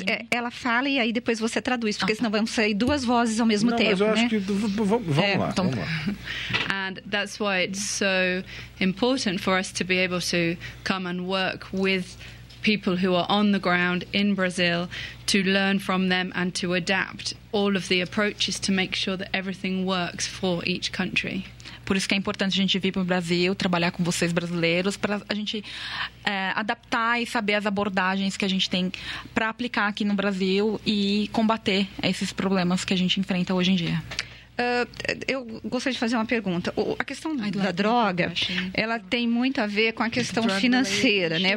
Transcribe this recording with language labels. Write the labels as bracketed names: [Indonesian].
[Portuguese] Ela fala e aí depois você traduz, porque senão vamos sair duas vozes ao mesmo tempo, mas eu acho né? Vamos lá. [English] And that's why it's so important for us to be able to come and work with people who are on the ground in Brazil to learn from them and to adapt all of the approaches to make sure that everything works for each country. [Portuguese] Por isso que é importante a gente vir para o Brasil, trabalhar com vocês brasileiros, para a gente adaptar e saber as abordagens que a gente tem para aplicar aqui no Brasil e combater esses problemas que a gente enfrenta hoje em dia. Eu gostaria de fazer uma pergunta. A questão da droga, ela tem muito a ver com a questão financeira, né?